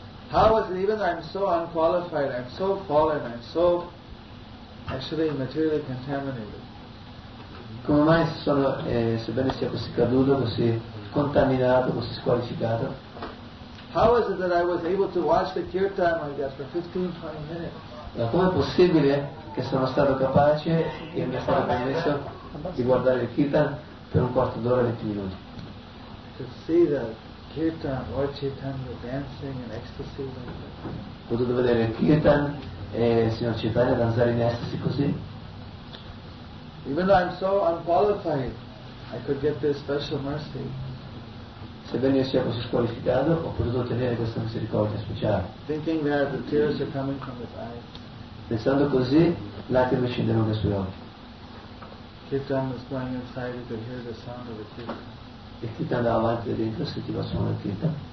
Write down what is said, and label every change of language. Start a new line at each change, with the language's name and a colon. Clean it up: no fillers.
English: How is it even I'm so unqualified, I'm so fallen, I'm so actually materially contaminated?
Italian: Come mai sono, sebbene sia così caduto, così contaminato, così squalificato?
English: How is it that I was able to watch the kirtan like that for 15-20 minutes?
Italian: Ma com'è possibile che sono stato capace e mi è stato permesso di guardare il kirtan per un quarto d'ora e 20 minuti?
English: To see the kirtan, Lord Chaitanya dancing in ecstasy.
Italian: Potuto vedere il kirtan e signor Chaitanya danzare in ecstasy così.
English: Even though I'm so unqualified, I could get this special mercy.
Italian: Sebbene io sia così squalificato, ho potuto ottenere questa misericordia speciale.
English: Thinking that the tears are coming from his eyes.
Italian: Pensando così, lacrime scendono dai suoi occhi.
English: Kirtan was going inside, you could hear the sound of the kirtan.
Italian: E chi ti andava avanti da dentro se ti va a suonare il kirtan.